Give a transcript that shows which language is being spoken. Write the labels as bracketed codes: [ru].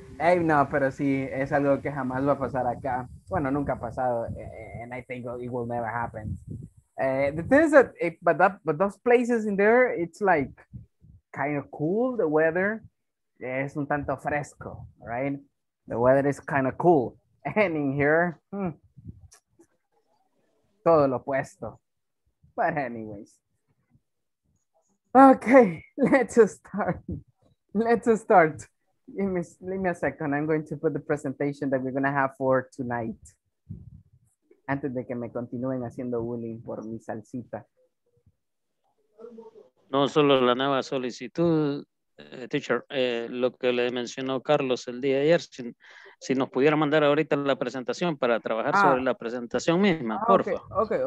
[es] Ey, no, pero sí, es algo que jamás va a pasar acá. Bueno, nunca ha pasado. [en] And I think it will never happen. The thing is that, but those places in there, it's like kind of cool, the weather. [es] Es un tanto fresco, [en] right? The weather is kind of cool. And in here, [es] todo lo opuesto. [en] But anyways. Okay, let's start. Give me a second. I'm going to put the presentation that we're going to have for tonight. [es] Antes de que me continúen haciendo bullying por mi salsita. No, solo la nueva solicitud, teacher, lo que le mencionó Carlos el día de ayer, si nos pudiera mandar ahorita la presentación para trabajar sobre la presentación misma, por favor.